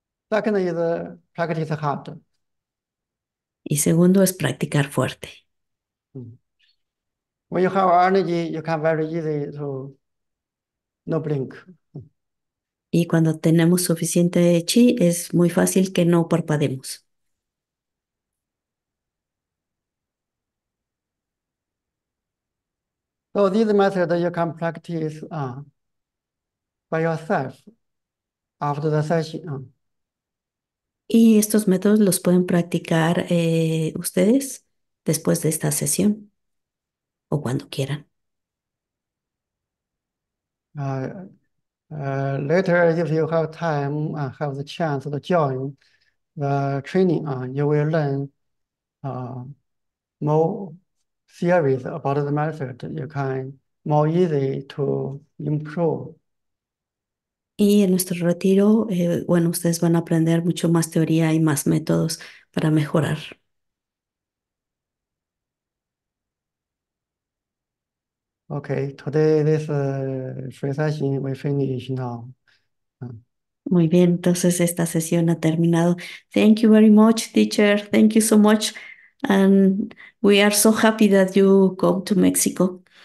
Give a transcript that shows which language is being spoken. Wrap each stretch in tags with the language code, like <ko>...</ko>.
<en>Second is practice hard.</en> <es>Y segundo es practicar fuerte.</es> <en>When you have energy, you can very easy to no blink.</en> <es>Y cuando tenemos suficiente chi, es muy fácil que no parpademos.</es> <en>So this method you can practice by yourself after the session.</en> <es>Y estos métodos los pueden practicar ustedes después de esta sesión o cuando quieran.</es> <en>Later, if you have time, have the chance to join the training, you will learn more theories about the method, you can more easy to improve.</en> <es>Y en nuestro retiro, bueno, ustedes van a aprender mucho más teoría y más métodos para mejorar.</es> <en>Okay, today this free session we finish now.</en> <es>Muy bien, entonces esta sesión ha terminado.</es> <en>Thank you very much, teacher. Thank you so much. And we are so happy that you come to Mexico.</en>